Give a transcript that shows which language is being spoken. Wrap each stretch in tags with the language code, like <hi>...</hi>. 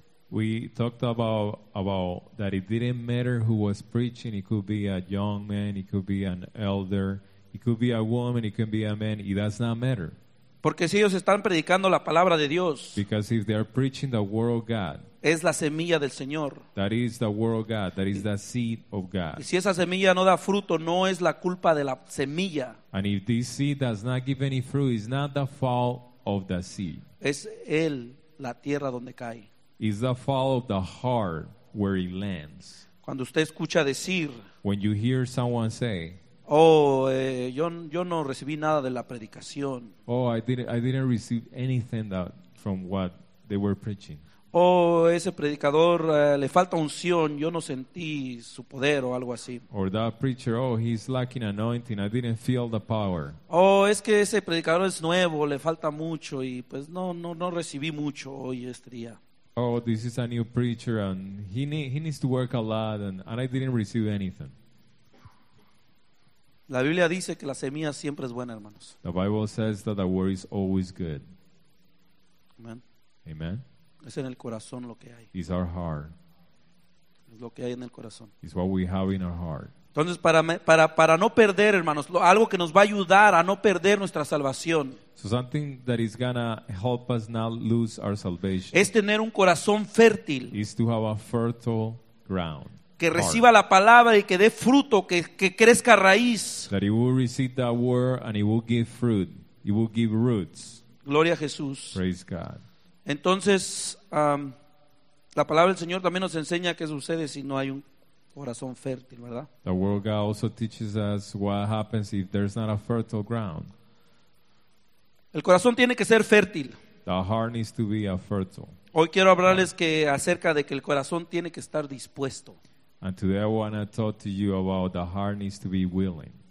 <en>We talked about that it didn't matter who was preaching. It could be a young man, it could be an elder, it could be a woman, it could be a man. It does not matter.</en> <es>Porque si ellos están predicando la palabra de Dios,</es> <en>because if they are preaching the word of God,</en> <es>es la semilla del Señor.</es> <en>That is the word of God. That is the seed of God.</en> <es>Y si esa semilla no da fruto, no es la culpa de la semilla.</es> <en>And if this seed does not give any fruit, it's not the fault of the seed.</en> <es>Es él la tierra donde cae.</es> <en>Is the fall of the heart where it lands.</en> <es>Cuando usted escucha decir,</es> <en>when you hear someone say,</en> <es>oh, yo no recibí nada de la predicación.</es> <en>Oh, I didn't receive anything from what they were preaching.</en> <es>Oh, ese predicador le falta unción. Yo no sentí su poder o algo así.</es> <en>Or that preacher, oh, he's lacking anointing. I didn't feel the power.</en> <es>Oh, es que ese predicador es nuevo. Le falta mucho y pues no recibí mucho hoy este día.</es> <en>Oh, this is a new preacher and he needs to work a lot and I didn't receive anything.</en> <es>La Biblia dice que la semilla siempre es buena, hermanos.</es> <en>The Bible says that the word is always good. Amen. Amen.</en> <es>Es en el corazón lo que hay.</es> <en>It's our heart.</en> <es>Es lo que hay en el corazón.</es> <en>It's what we have in our heart.</en> <es>Entonces, para no perder, hermanos, algo que nos va a ayudar a no perder nuestra salvación.</es> <en>So something that is gonna help us not lose our salvation.</en> <es>Es tener un corazón fértil.</es> <en>Is to have a fertile ground. Que reciba la palabra y que dé fruto, que crezca raíz. That it will receive that word and it will give fruit. It will give roots.</en> <es>Gloria a Jesús.</es> <en>Praise God.</en> <es>Entonces, la palabra del Señor también nos enseña qué sucede si no hay un corazón fértil, ¿verdad?</es> <en>The word God also teaches us what happens if there's not a fertile ground.</en> <es>El corazón tiene que ser fértil.</es> <en>The heart needs to be a fertile.</en> <es>Hoy quiero hablarles que acerca de que el corazón tiene que estar dispuesto.</es> <en>And today I want to talk to you about the heart needs to be willing.</en>